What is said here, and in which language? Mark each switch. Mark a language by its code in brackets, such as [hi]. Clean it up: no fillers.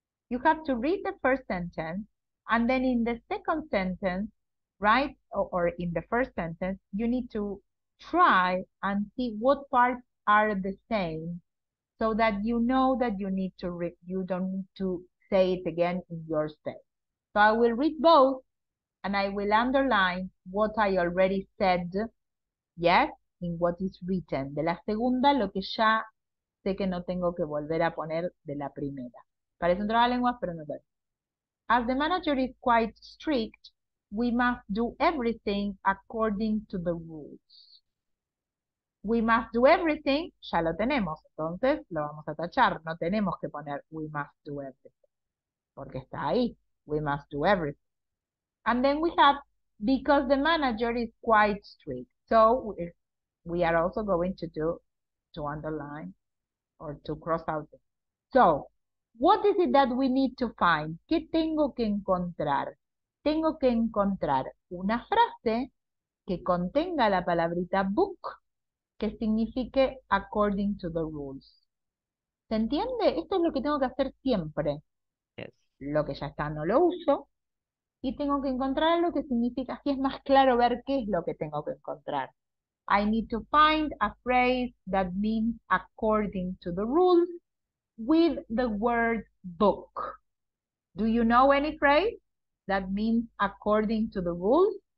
[en] You have to read the first sentence, and then in the second sentence, right, or in the first sentence, you need to try and see what parts are the same so that you know that you need to you don't need to say it again in your space. So I will read both, and I will underline what I already said, yes, in what is written. [es] De la segunda, lo que ya sé que no tengo que volver a poner de la primera. Parecen trabas lenguas, pero no. [en] As the manager is quite strict, we must do everything according to the rules. We must do everything, [es] ya lo tenemos, entonces lo vamos a tachar. No tenemos que poner [en] we must do everything, [es] porque está ahí. [en] We must do everything. And then we have, because the manager is quite strict. So we are also going to do, to underline or to cross out. It. So what is it that we need to find? [es] ¿Qué tengo que encontrar? Tengo que encontrar una frase que contenga la palabrita book, que signifique [en] according to the rules. [es] ¿Se entiende? Esto es lo que tengo que hacer siempre. [en] Yes. [es] Lo que ya está no lo uso. Y tengo que encontrar algo que significa, así es más claro ver qué es lo que tengo que encontrar. [en] I need to find a phrase that means according to the rules with the word book. Do you know any phrase that means according to the rules?